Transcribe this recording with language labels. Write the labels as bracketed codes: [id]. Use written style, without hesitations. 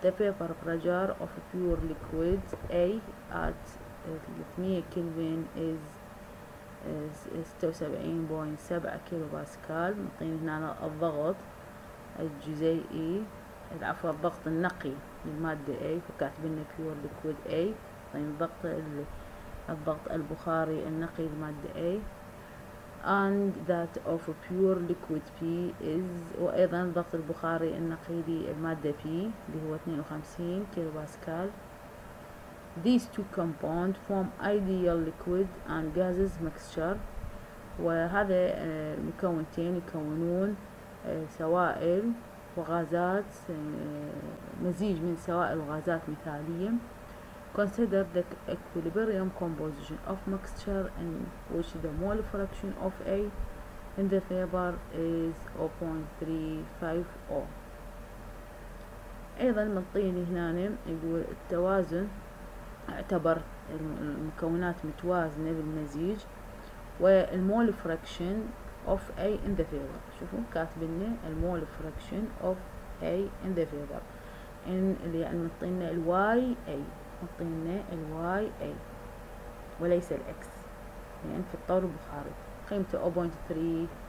[en] The paper pressure of pure liquid A at 300 kelvin is 76.7 kilo pascal. [ar] معطين هنا الضغط الجزيئي، عفوا الضغط النقي للمادة A، فكاتبين لنا [en] pure liquid A، [ar] طيب الضغط البخاري النقي للمادة A. [en] And that of pure liquid P is، [ar] وأيضا الضغط البخاري النقي للمادة P اللي هو 52 كيلو باسكال. [en] These two compounds form ideal liquid and gases mixture، [ar] وهذا المكونتين يكونون سوائل وغازات، مزيج من سوائل وغازات مثالية. [en] Consider the equilibrium composition of mixture in which the mole fraction of A in the paper is 0.350. [ar] ايضا منطيني هنا يقول التوازن، اعتبر المكونات متوازنة بالمزيج، والمول فراكشن اوف اي ان ذا فيبر، شوفوا كاتب لنا [en] المول fraction of A in the vapour, [ar] ان اللي يعني معطينا الواي اي، معطينا الواي اي وليس الاكس، يعني في الطور البخاري قيمته 0.350.